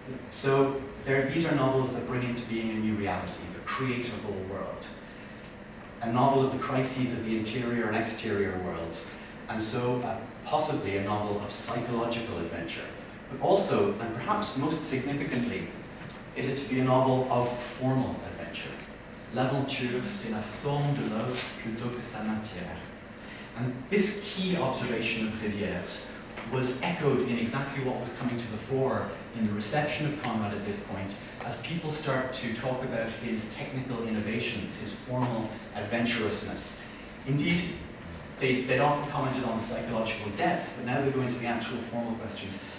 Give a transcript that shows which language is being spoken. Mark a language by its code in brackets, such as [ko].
[en] So these are novels that bring into being a new reality, the creatable world. A novel of the crises of the interior and exterior worlds, and so possibly a novel of psychological adventure. But also, and perhaps most significantly, it is to be a novel of formal adventure. [fr] L'aventure, c'est la forme de l'œuvre plutôt que sa matière. [en] And this key observation of Rivière's was echoed in exactly what was coming to the fore in the reception of Conrad at this point, as people start to talk about his technical innovations, his formal adventurousness. Indeed, they'd often commented on the psychological depth, but now they go into the actual formal questions.